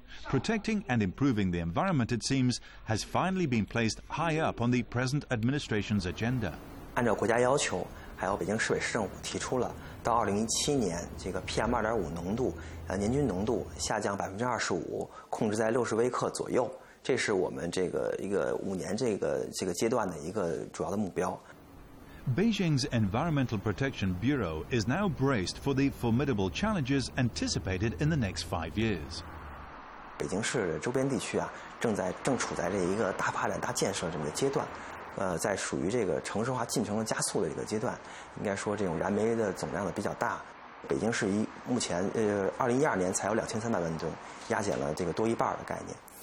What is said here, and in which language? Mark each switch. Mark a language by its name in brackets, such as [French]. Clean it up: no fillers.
[English] Protecting and improving the environment, it seems, has finally been placed high up on the present administration's agenda. [Chinese] 按照国家要求，还有北京市委市政府提出了，到2017年，这个 PM2.5 浓度，年均浓度下降25%，控制在60微克左右。这是我们这个一个五年这个阶段的一个主要的目标。 [English] Beijing's Environmental Protection Bureau is now braced for the formidable challenges anticipated in the next 5 years. [Chinese] 北京市周边地区啊，正处在这一个大发展、大建设这么一个阶段，在属于这个城市化进程的加速的一个阶段，应该说这种燃煤的总量呢比较大。北京市目前2012年才有2300万吨，压减了这个多一半的概念。